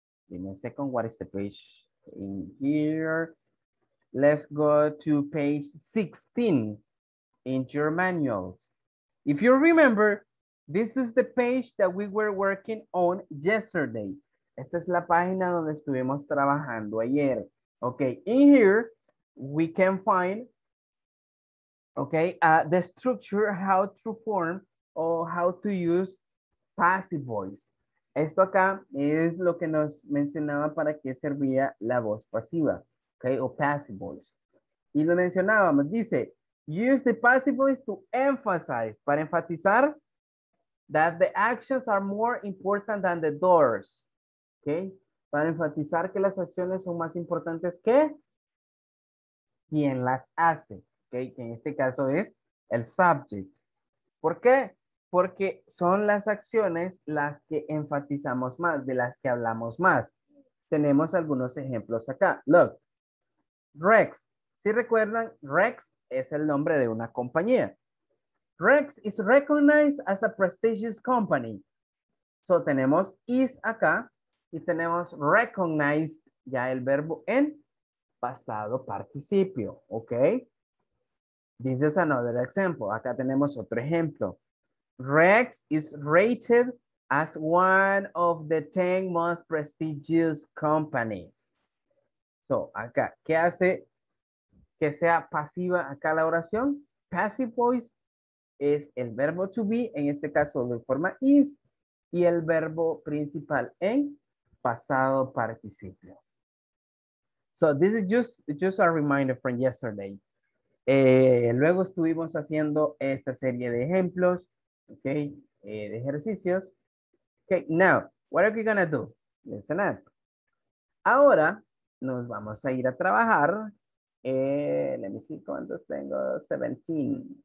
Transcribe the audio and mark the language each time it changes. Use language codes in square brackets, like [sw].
[en] In a second, what is the page in here? Let's go to page 16 in your manuals. If you remember, this is the page that we were working on yesterday. [es] Esta es la página donde estuvimos trabajando ayer. [en] Okay, in here, we can find, okay, the structure, how to form, or how to use passive voice. [es] Esto acá es lo que nos mencionaba para qué servía la voz pasiva, okay, o passive voice. Y lo mencionábamos, dice, [en] use the passive voice to emphasize, [es] para enfatizar, [en] that the actions are more important than the doors, [es] okay? Para enfatizar que las acciones son más importantes que quien las hace, okay? Que en este caso es el subject. ¿Por qué? Porque son las acciones las que enfatizamos más, de las que hablamos más. Tenemos algunos ejemplos acá. Look, Rex. Si recuerdan, Rex es el nombre de una compañía. [en] Rex is recognized as a prestigious company. [es] So tenemos is acá y tenemos recognized ya el verbo en pasado participio, ¿ok? [en] This is another example. [es] Acá tenemos otro ejemplo. [en] Rex is rated as one of the 10 most prestigious companies. [es] So, acá, ¿qué hace que sea pasiva acá la oración? Passive voice es el verbo to be, en este caso de forma is, y el verbo principal en pasado participio. [en] So, this is just a reminder from yesterday. [es] Luego estuvimos haciendo esta serie de ejemplos, okay, de ejercicios. [en] Okay, now, what are we gonna do? Listen up. [es] Ahora, nos vamos a ir a trabajar. [en] Let me see, [es] ¿cuántos tengo? [en] 17.